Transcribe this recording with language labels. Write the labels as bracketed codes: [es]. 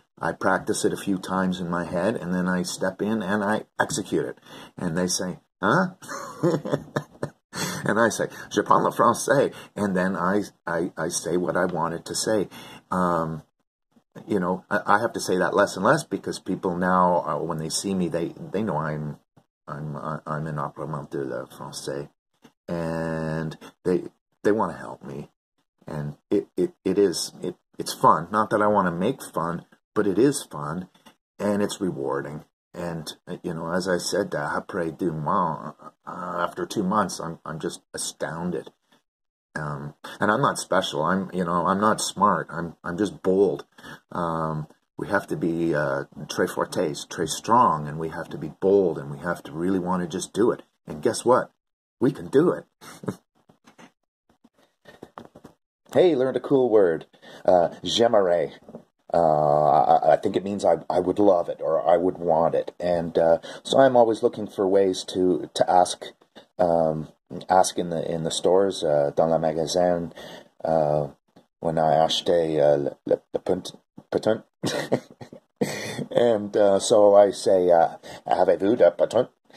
[en] I practice it a few times in my head, and then I step in and I execute it. And they say, huh? And I say, [fr] je parle le français. [en] And then I say what I wanted to say. I have to say that less and less because people now, when they see me, they know I'm an [fr] apprenti de français, [en] and they want to help me, and it's fun. Not that I want to make fun, but it is fun, and it's rewarding. And you know, as I said, [fr] après deux mois, [en] after 2 months, I'm just astounded. And I'm not special. I'm not smart. I'm just bold. We have to be [fr] très fortes, très [en] strong, and we have to be bold, and we have to really want to just do it. And guess what? We can do it. Hey, learned a cool word. J'aimerais. I think it means I would love it, or I would want it. And so I'm always looking for ways to ask. Ask in the stores, [fr] dans la magasin, [en] when I [fr] acheté le patent. [en] And so I say, [fr] avez-vous de patent?